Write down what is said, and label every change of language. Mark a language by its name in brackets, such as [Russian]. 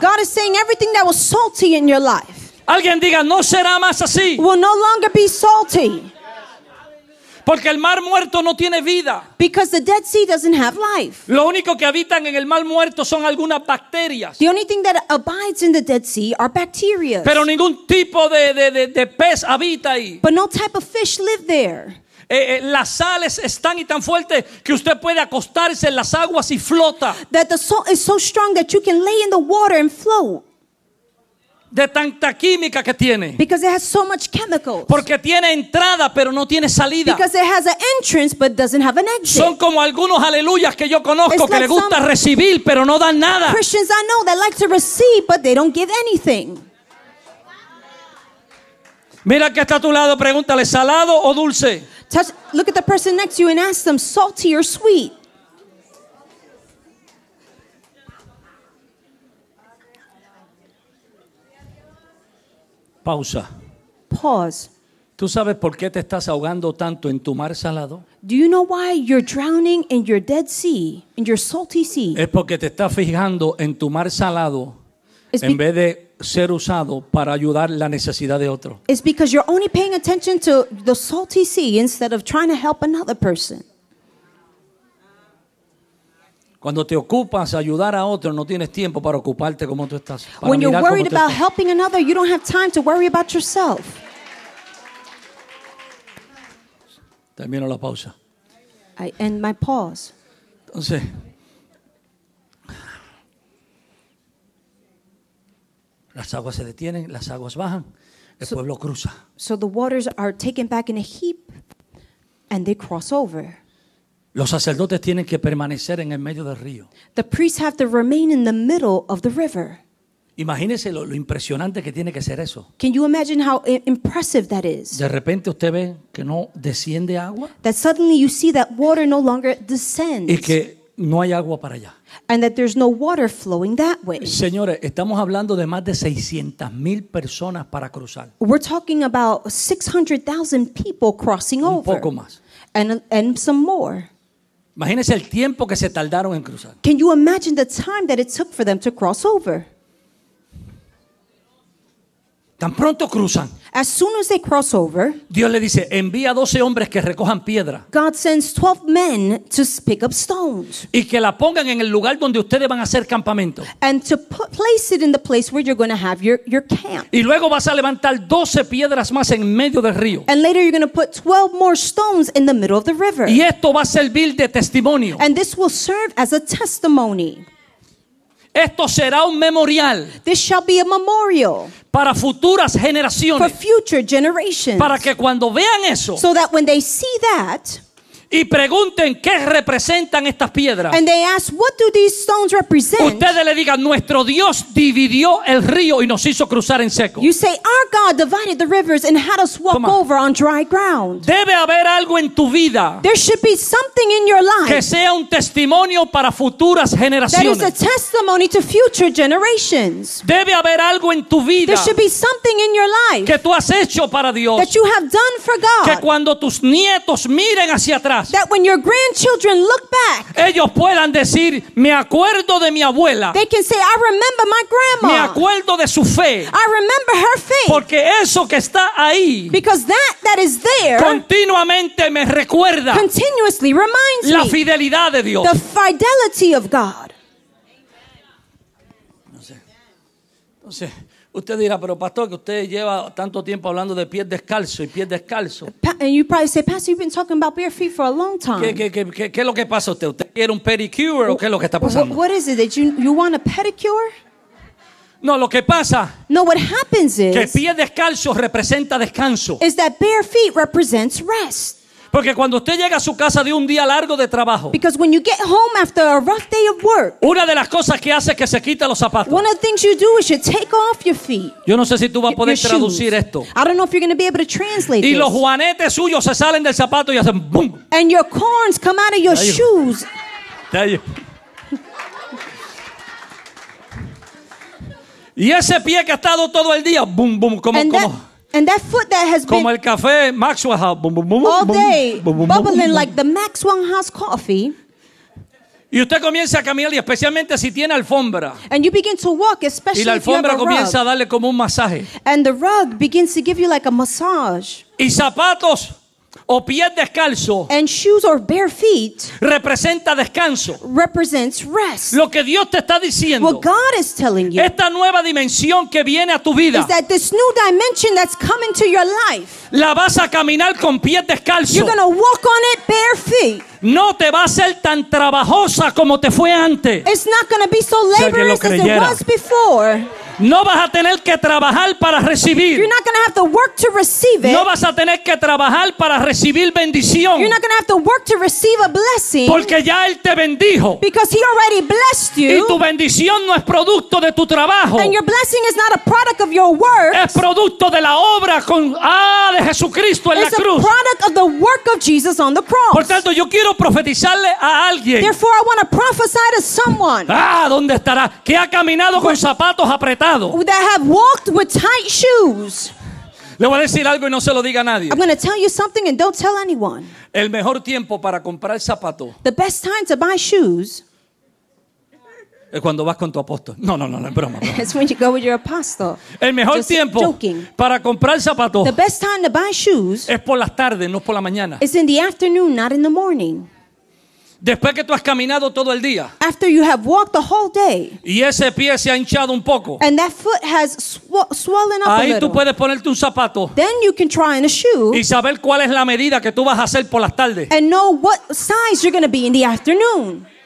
[English] God is saying everything that was salty in your life. [Spanish] Alguien diga, no será más así. [English] Will no longer be salty. [Spanish] Porque el mar muerto no tiene vida. [English] Because the Dead Sea doesn't have life. [Spanish] Lo único que habitan en el mar muerto son algunas bacterias. [English] The only thing that abides in the Dead Sea are bacteria. [Spanish] Pero ningún tipo de pez habita ahí. [English] But no type of fish live there. [Spanish] Las sales están y tan fuertes que usted puede acostarse en las aguas y flota. [English] That the salt is so strong that you can lay in the water and float. [Spanish] De tanta química que tiene. [English] Because it has so much chemicals. [Spanish] Porque tiene entrada pero no tiene salida. [English] Because it has an entrance but doesn't have an exit. [Spanish] Son como algunos aleluyas que yo conozco [English] it's [Spanish] que [English] like [Spanish] le gusta recibir pero no dan nada. [English] Christians I know that like to receive but they don't give anything. [Spanish] Mira que está a tu lado, pregúntale, ¿salado o dulce? [English] Touch, look at the person next to you and ask them, salty or sweet? [Spanish] Pausa. [English] Pause. [Spanish] ¿Tú sabes por qué te estás ahogando tanto en tu mar salado? [English] Do you know why you're drowning in your dead sea, in your salty sea? [Spanish] Es porque te estás fijando en tu mar salado en vez de ser usado para ayudar la necesidad de otro. [English] It's because you're only paying attention to the salty sea instead of trying to help another person. [Spanish] Cuando te ocupas ayudar a otro, no tienes tiempo para ocuparte como tú estás. [English] When you're worried about helping another, you don't have time to worry about yourself. [Spanish] Termino la pausa. [English] I end my pause. [Spanish] Entonces, las aguas se detienen, las aguas bajan, el pueblo cruza. [English] So the waters are taken back in a heap, and they cross over. [Spanish] Los sacerdotes tienen que permanecer en el medio del río. [English] The priests have to remain in the middle of the river. [Spanish] Imagínese lo impresionante que tiene que ser eso. [English] Can you imagine how impressive that is? [Spanish] De repente usted ve que no desciende agua. [English] That suddenly you see that water no longer descends. [Spanish] Y que no hay agua para allá. [English] And that there's no water flowing that way. [Spanish] Señores, estamos hablando de más de 600,000 personas para cruzar. [English] We're talking about 600,000 people crossing [Spanish] un [English] over. [Spanish] Un poco más. [English] And some more. [Spanish] Imagínese el tiempo que se tardaron en cruzar. [English] Can you imagine the time that it took for them to cross over? [Spanish] Tan pronto cruzan. [English] As soon as they cross over, [Spanish] Dios le dice, envía 12 hombres que recojan piedra. [English] God sends 12 men to pick up stones. [Spanish] Y que la pongan en el lugar donde ustedes van a hacer campamento. [English] And to place it in the place where you're going to have your camp. [Spanish] Y luego vas a levantar 12 piedras más en medio del río. [English] And later you're going to put 12 more stones in the middle of the river. [Spanish] Y esto va a servir de testimonio. [English] And this will serve as a testimony. [Spanish] Esto será un memorial. [English] This shall be a memorial. [Spanish] Para futuras generaciones. [English] For future generations. [Spanish] Para que cuando vean eso. [English] So that when they see that. [Spanish] Y pregunten qué representan estas piedras. [English] And they ask, what do these stones represent? [Spanish] Ustedes le digan, nuestro Dios dividió el río y nos hizo cruzar en seco. [English] You say, our God divided the rivers and had us walk over on dry ground. [Spanish] Debe haber algo en tu vida. [English] There should be something in your life. [Spanish] Que sea un testimonio para futuras generaciones. [English] That is a testimony to future generations. [Spanish] Debe haber algo en tu vida. [English] There should be something in your life. [Spanish] Que tú has hecho para Dios. [English] That you have done for God. [Spanish] Que cuando tus nietos miren hacia atrás. atrás, [English] that when your grandchildren look back, [Spanish] ellos puedan decir, me acuerdo de mi abuela, [English] they can say, I remember my grandma, [Spanish] me acuerdo de su fe, [English] I remember her faith, [Spanish] porque eso que está ahí, [English] because that is there, [Spanish] continuamente me recuerda, [English] continuously reminds [Spanish] la fidelidad de Dios, [English] the fidelity of God. [Spanish] Entonces, usted dirá, pero pastor, que usted lleva tanto tiempo hablando de pies descalzos y pies descalzos. [English] And you probably say, pastor, you've been talking about bare feet for a long time. [Spanish] ¿Qué es lo que pasa usted? ¿Usted quiere un pedicure o qué es lo que está pasando? [English] What is it? You want a pedicure? [Spanish] No, lo que pasa. [English] No, what happens is [Spanish] que pies descalzos representa descanso. [English] Is that bare feet represents rest. [Spanish] Porque cuando usted llega a su casa de un día largo de trabajo, [English] because when you get home after a rough day of work, [Spanish] una de las cosas que hace es que se quita los zapatos. [English] One of the things you do is you take off your feet. [Spanish] Yo no sé si tú vas a poder traducir [English] shoes. [Spanish] Esto. [English] I don't know if you're going to be able to translate [Spanish] y [English] this. [Spanish] Y los juanetes suyos se salen del zapato y hacen boom. [English] And your corns come out of your shoes. There you. [Spanish] Y ese pie que ha estado todo el día boom boom como. [English] And that foot that has [Spanish] como [English] been [Spanish] el café, Maxwell House, boom, boom, boom, [English] all day boom, boom, bubbling boom, boom, like the Maxwell House coffee. [Spanish] Y usted comienza a caminar y especialmente si tiene alfombra. [English] And you begin to walk, especially [Spanish] y la alfombra comienza a darle como un masaje. [English] And the rug begins to give you like a massage. [Spanish] Y zapatos o pies descalzos. [English] And shoes or bare feet [Spanish] representa descanso. [English] Represents rest. [Spanish] Lo que Dios te está diciendo. [English] What God is telling you. [Spanish] Esta nueva dimensión que viene a tu vida. [English] Is that this new dimension that's coming to your life? [Spanish] La vas a caminar con pies descalzos. [English] You're gonna walk on it bare feet. [Spanish] No te va a ser tan trabajosa como te fue antes. [English] It's not gonna be so laborious as it was before. [Spanish] No vas a tener que trabajar para recibir. [English] You're not gonna have to work to receive it. [Spanish] No vas a tener que trabajar para recibir bendición. [English] You're not gonna have to work to receive a blessing. [Spanish] Porque ya Él te bendijo. [English] Because He already blessed you. [Spanish] Y tu bendición no es producto de tu trabajo. [English] And your blessing is not a product of your work. [Spanish] Es producto de la obra con de Jesucristo en [English] it's [Spanish] la cruz. [English] It's a product of the work of Jesus on the cross. [Spanish] Por tanto, yo quiero profetizarle a alguien. [English] Therefore, I want to prophesy to someone. [Spanish] ¿Dónde estará? ¿Qué ha caminado con zapatos apretados? [English] That have walked with tight shoes. [Spanish] Le voy a decir algo y no se lo diga a nadie. [English] I'm going to tell you something and don't tell anyone. [Spanish] El mejor tiempo para comprar zapatos. [English] The best time to buy shoes. [Spanish] Es cuando vas con tu apóstol. No, es broma. [English] It's when you go with your apostle. [Spanish] El mejor [English] just [Spanish] tiempo [English] joking. [Spanish] Para comprar zapatos. [English] The best time to buy shoes. [Spanish] Es por las tardes, no por la mañana. [English] It's in the afternoon, not in the morning. [Spanish] Después que tú has caminado todo el día. [English] After you have walked the whole day. [Spanish] Y ese pie se ha hinchado un poco. [English] And that foot has swollen up [Spanish] ahí [English] a little. [Spanish] Ahí tú puedes ponerte un zapato. [English] Then you can try on a shoe. [Spanish] Y saber cuál es la medida que tú vas a hacer por las tardes. [English] And know what size you're going to be in the afternoon.